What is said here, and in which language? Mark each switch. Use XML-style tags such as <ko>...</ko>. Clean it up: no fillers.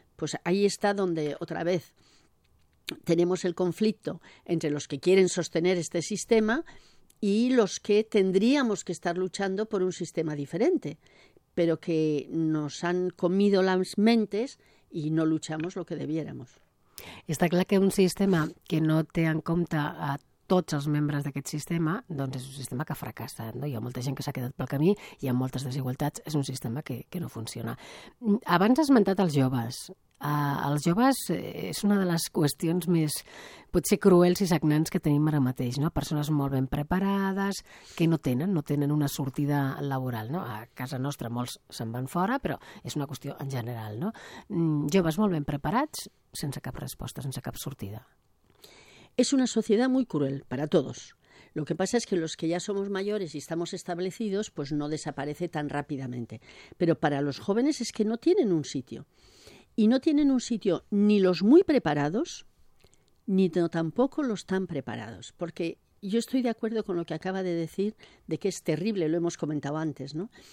<es>Pues ahí está donde otra vez tenemos el conflicto entre los que quieren sostener este sistema y los que tendríamos que estar luchando por un sistema diferente, pero que nos han comido las mentes y no luchamos lo que debiéramos.</es> <ca>Està clar que un sistema que no té en compte a tots els membres d'aquest sistema, doncs és un sistema que fracassa, no? Hi ha molta gent que s'ha quedat pel camí, hi ha moltes desigualtats, és un sistema que no funciona. Abans has esmentat els joves. Els joves és una de les qüestions més, potser, cruels i sagnants que tenim ara mateix, no? Persones molt ben preparades, que no tenen una sortida laboral, no? A casa nostra molts se'n van fora, però és una qüestió en general, no? Joves molt ben preparats, sense cap resposta, sense cap sortida. És una societat molt cruel per a tots.</ca> <es>Lo que pasa es que los que ya somos mayores y estamos establecidos, pues no desaparece tan rápidamente. Pero para los jóvenes es que no tienen un sitio. Y no tienen un sitio ni los muy preparados, ni tampoco los tan preparados. Porque yo estoy de acuerdo con lo que acaba de decir, de que es terrible, lo hemos comentado antes, ¿no?</es>